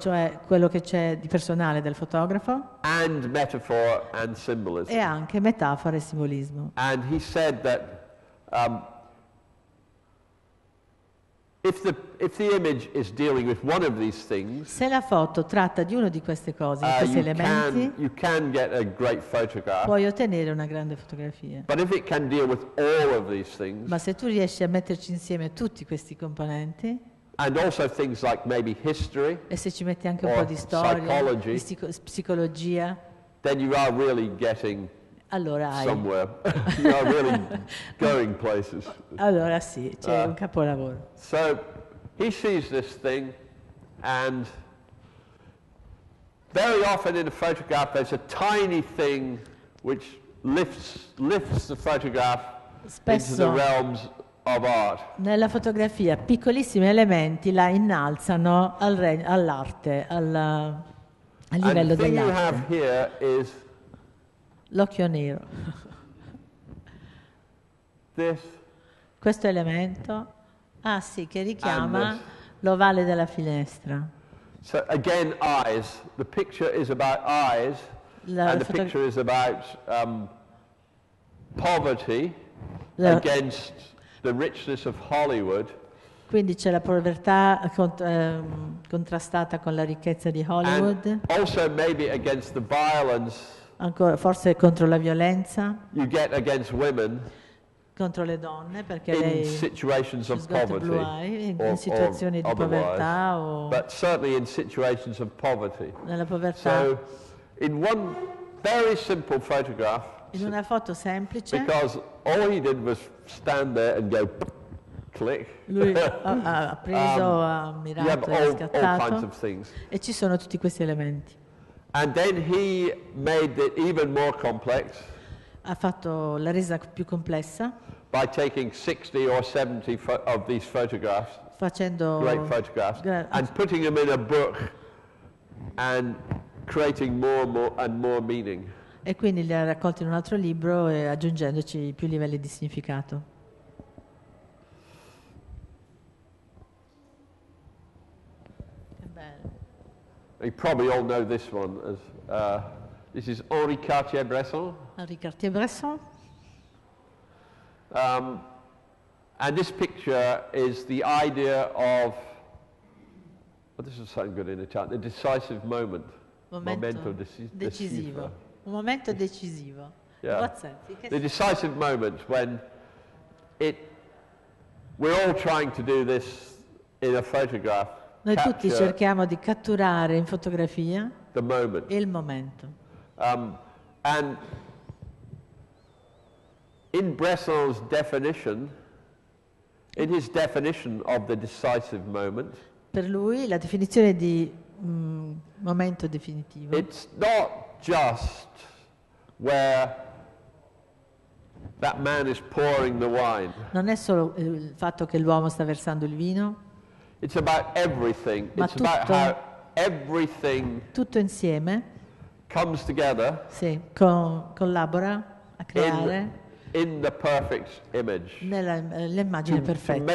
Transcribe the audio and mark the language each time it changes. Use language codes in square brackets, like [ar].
[it] Cioè quello che c'è di personale del fotografo. [en] And metaphor and symbolism. [it] E anche metafora e simbolismo. [en] And he said that if the image is dealing with one of these things. [it] Se la foto tratta di uno di queste cose, di questi elementi. [en] You can get a great photograph. [it] Puoi ottenere una grande fotografia. [en] But if it can deal with all of these things. [it] Ma se tu riesci a metterci insieme tutti questi componenti. [en] And also things like maybe history. [it] E se ci metti anche un po' di storia, [en] psychology, [it] di psicologia. [en] Then you are really getting. [it] Allora hai. [en] Somewhere. You are really going places. [it] Allora sì, c'è un capolavoro. [en] So he sees this thing, and very often in a photograph there's a tiny thing which lifts the photograph [it] spesso [en] into the realms of art. [it] Nella fotografia piccolissimi elementi la innalzano all'arte, al livello [en] and [it] dell'arte. [en] And the thing you have here is [it] l'occhio nero. [en] This [it] questo elemento, ah sì, che richiama l'ovale della finestra. [en] So again, eyes. The picture is about eyes, and the picture is about poverty against the richness of Hollywood. [it] Quindi c'è la povertà contrastata con la ricchezza di Hollywood. [en] And also maybe against the violence. [it] Ancora, forse contro la violenza. [en] You get against women. [it] Contro le donne, perché [en] in [it] lei [en] situations of poverty, [it] in situazioni di povertà, [en] but certainly in situations of poverty. [it] Nella povertà. [en] So, in one very simple photograph. [it] In una foto semplice. [en] Because all he did was stand there and go, click. [it] Lui ha preso, ha mirato, [en] you have [it] e ha scattato. [en] All kinds of things. [it] E ci sono tutti questi elementi. [en] And then he made it even more complex. [it] Ha fatto la resa più complessa. [en] By taking 60 or 70 of these photographs. [it] Facendo [en] great photographs and putting them in a book and creating more and more and more meaning. [it] E quindi li ha raccolti in un altro libro e aggiungendoci più livelli di significato. [en] You probably all know this one. As, this is Henri Cartier-Bresson. Henri Cartier-Bresson. And this picture is the idea of. Well, this is something good in Italian. The decisive moment. [it] Momento decisivo. Un momento decisivo. [en] Yeah. In what sense? The decisive moment when it. We're all trying to do this in a photograph. [it] Noi tutti cerchiamo di catturare in fotografia il momento. [en] And in Bresson's definition, in his definition of the decisive moment, [it] per lui la definizione di momento definitivo, [en] it's not just where that man is pouring the wine. [it] Non è solo il fatto che l'uomo sta versando il vino. [en] It's about everything. [it] Ma [en] it's about how everything [it] tutto insieme [en] comes together. [it] Sì, collabora a creare [en] in the perfect image. [it] Nell'immagine perfetta.